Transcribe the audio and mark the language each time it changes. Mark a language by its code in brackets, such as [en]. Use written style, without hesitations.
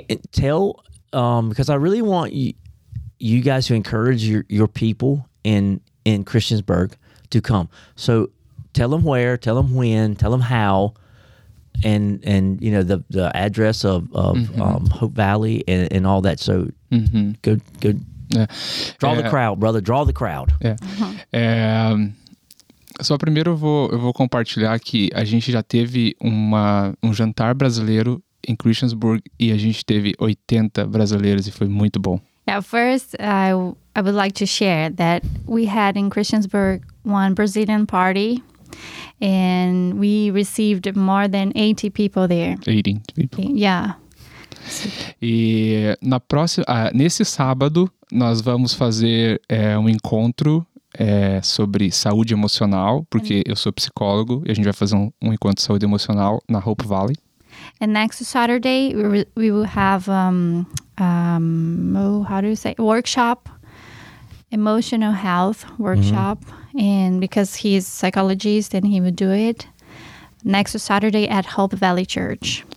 [en] Because I really want you guys to encourage your people in Christiansburg to come. So tell them where, tell them when, tell them how, and you know, the address of Hope Valley and all that. So good. Yeah. Draw the crowd, brother. Draw the crowd. Yeah. [pt] Só primeiro eu vou compartilhar que a gente já teve um jantar brasileiro em Christiansburg e a gente teve 80 brasileiros e foi muito bom. [en] Now, first, I would like to share that we had in Christiansburg one Brazilian party, and we received more than 80 people there. 80 people. Yeah. [pt] E na próxima, nesse sábado, nós vamos fazer um encontro sobre saúde emocional, porque eu sou psicólogo, e a gente vai fazer um encontro de saúde emocional na Hope Valley. [en] And next Saturday, we will have workshop, emotional health workshop. Mm-hmm. And because he's a psychologist and he would do it next Saturday at Hope Valley Church.